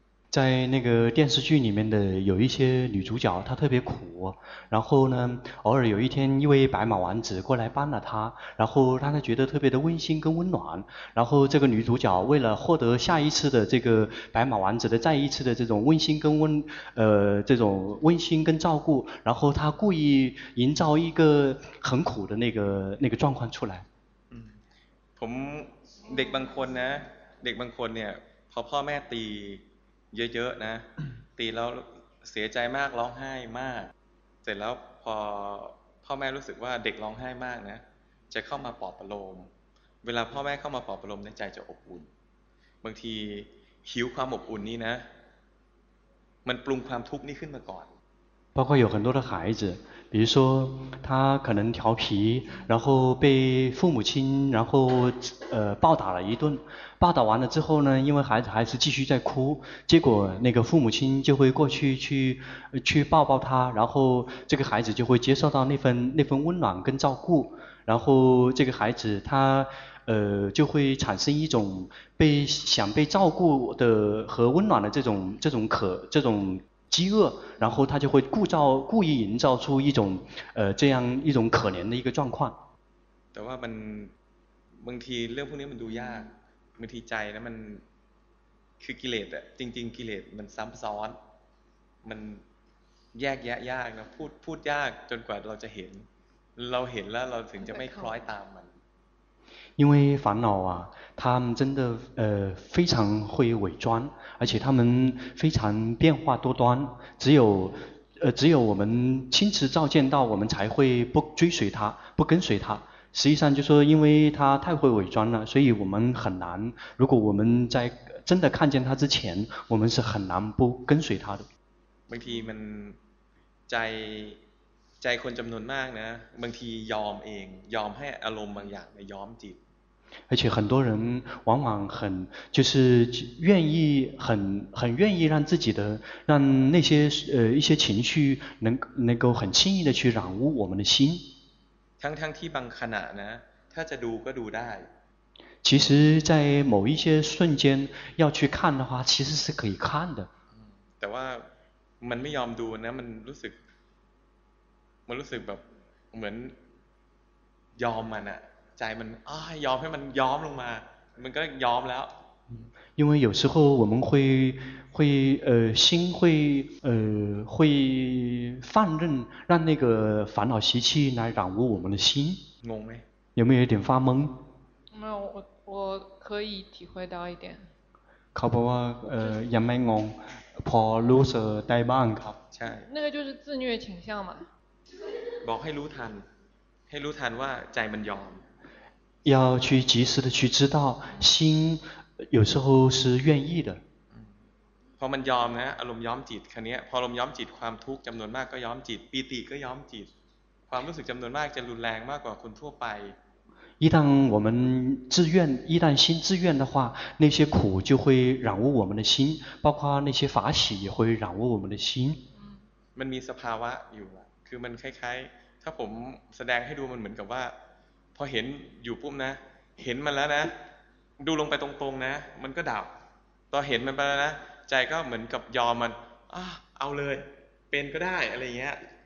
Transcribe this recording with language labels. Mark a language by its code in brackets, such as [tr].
[zh] 在那个电视剧里面的有一些女主角她特别苦然后呢偶尔有一天一位白马王子过来帮了她然后让她觉得特别的温馨跟温暖然后这个女主角为了获得下一次的这个白马王子的再一次的这种温馨跟这种温馨跟照顾然后她故意营造一个很苦的那个状况出来 [th] ผมเด็กบางคนนะเด็กบางคนเนี่ยพอพ่อแม่ตีเยอะๆนะตีแล้วเสียใจมากร้องไห้มากเสร็จแล้วพ่อแม่รู้สึกว่าเด็กร้องไห้มากนะจะเข้ามาปลอบประโลมเวลาพ่อแม่เข้ามาปลอบประโลมในใจจะอบอุ่นบางทีหิวความอบอุ่นนี้นะมันปรุงความทุกข์นี้ขึ้นมาก่อน [zh] 包括有很多的孩子比如说他可能调皮然后被父母亲然后暴打了一顿暴打完了之后呢因为孩子还是继续在哭结果那个父母亲就会过去去抱抱他然后这个孩子就会接受到那份温暖跟照顾然后这个孩子他就会产生一种想被照顾的和温暖的这种饥饿然后他就会故意营造出一种这样一种可怜的一个状况 [th] แต่ว่ามันบางทีเรื่องพวกนี้มันดูยากบางทีใจนะมันคือกิเลสอะจริงๆกิเลสมันซ้ำซ้อนมันแยกแยะยากนะพูดยากจนกว่าเราจะเห็น เราเห็นแล้วเราถึงจะไม่คล้อยตามมัน [zh] 因为烦恼啊他们真的非常会伪装而且他们非常变化多端只有我们亲自照见到我们才会不追随他不跟随他实际上就是说因为他太会伪装了所以我们很难如果我们在真的看见他之前我们是很难不跟随他的 [th] บางทีมันใจคนจำนวนมากนะบางทียอมเองยอมให้อารมณ์บางอย่างยอมจิต [zh] 而且很多人往往很就是愿意很愿意让自己的让那些一些情绪能够很轻易的去染污我们的心 [th] ทั้งที่บางขณะนะถ้าจะดูก็ดูได้ [zh] 其实在某一些瞬间要去看的话其实是可以看的 [th] แต่ว่ามันไม่ยอมดูนะมันรู้สึกแบบเหมือนยอมมันอะใจมันยอมให้มันยอมลงมามันก็ยอมแล้ว [zh] 因为有时候我们会心会放任让那个烦恼习气来染污我们的心 [th] งงไหม [zh] 有没有一点发懵没有我可以体会到一点 [th] ครับเพราะว่ายังไม่งงพอรู้สึกได้บ้างครับ ใช่ [zh] 那个就是自虐倾向嘛 [th] บอกให้รู้ทันให้รู้ทันว่าใจมันยอม [zh] 要去及时的去知道心有时候是愿意的 [th] พอมันยอมนะอารมณ์ย้อมจิตคันนี้พออารมณ์ย้อมจิตความทุกข์จำนวนมากก็ย้อมจิตปีติก็ย้อมจิตความรู้สึกจำนวนมากจะรุนแรงมากกว่าคนทั่วไป [zh] 一旦我们自愿一旦心自愿的话那些苦就会染污我们的心包括那些法喜也会染污我们的心 [th] มันมีสภาวะอยู่คือมันคล้ายๆถ้าผมแสดงให้ดูมันเหมือนกับว่าพอเห็นอยู่ปุ๊บนะเห็นมันแล้วนะดูลงไปตรงๆนะมันก็ดับตอนเห็นมันไปแล้วนะใจก็เหมือนกับยอมมันเอาเลยเป็นก็ได้อะไรเงี้ย